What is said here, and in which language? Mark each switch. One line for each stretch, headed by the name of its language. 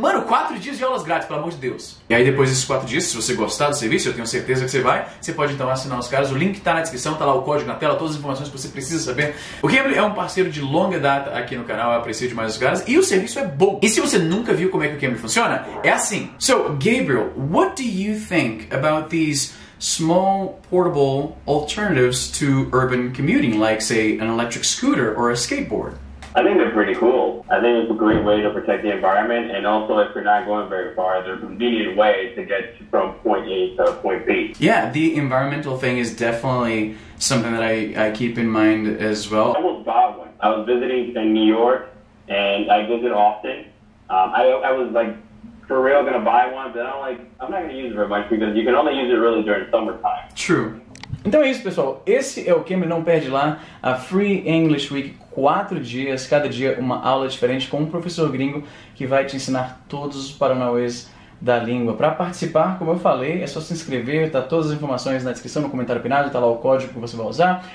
Portuguese: Mano, 4 dias de aulas grátis, pelo amor de Deus. E aí, depois desses 4 dias, se você gostar do serviço, eu tenho certeza que você vai, você pode então assinar os caras. O link tá na descrição, tá lá o código na tela, todas as informações que você precisa saber. O Cambly é um parceiro de longa data aqui no canal, eu aprecio demais os caras, e o serviço é bom. E se você nunca viu como é que o Cambly funciona, é assim.
English: So, Gabriel, what do you think about these small portable alternatives to urban commuting, like, say, an electric scooter or a skateboard? I think they're pretty cool. I think it's a great way to protect the environment, and also if you're not going very far, there's a convenient way to get from point A to point B. Yeah, the environmental thing is definitely something that I keep in mind as well. I almost bought one. I was visiting in New York, and I visit often. I was like, for real, gonna buy one, but I'm like, I'm not gonna use it very much because you can only use it really during summertime. True.
Portuguese: Então é isso, pessoal. Esse é o Cambly, não perde lá. A Free English Week, 4 dias, cada dia uma aula diferente com um professor gringo que vai te ensinar todos os paranauês da língua. Para participar, como eu falei, é só se inscrever, tá todas as informações na descrição, no comentário pinado, tá lá o código que você vai usar.